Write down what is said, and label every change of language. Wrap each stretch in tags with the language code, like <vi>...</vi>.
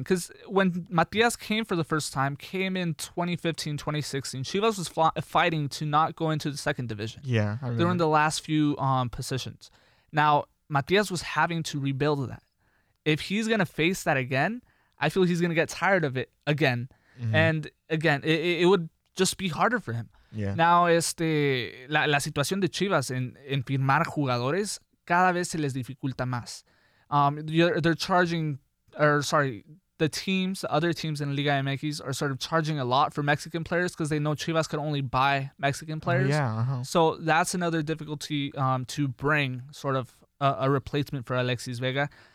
<en>Because when Matias came for the first time, came in 2015, 2016, Chivas was fighting to not go into the second division. Yeah. They were in the last few positions. Now, Matias was having to rebuild that. If he's going to face that again, I feel he's going to get tired of it again. Mm-hmm. And again, it would just be harder for him. Yeah. Now,</en> <es>la situación de Chivas en firmar jugadores cada vez se les dificulta más.</es> <en>The teams, other teams in Liga MX are sort of charging a lot for Mexican players because they know Chivas can only buy Mexican players. So that's another difficulty to bring sort of a replacement for Alexis Vega.</en>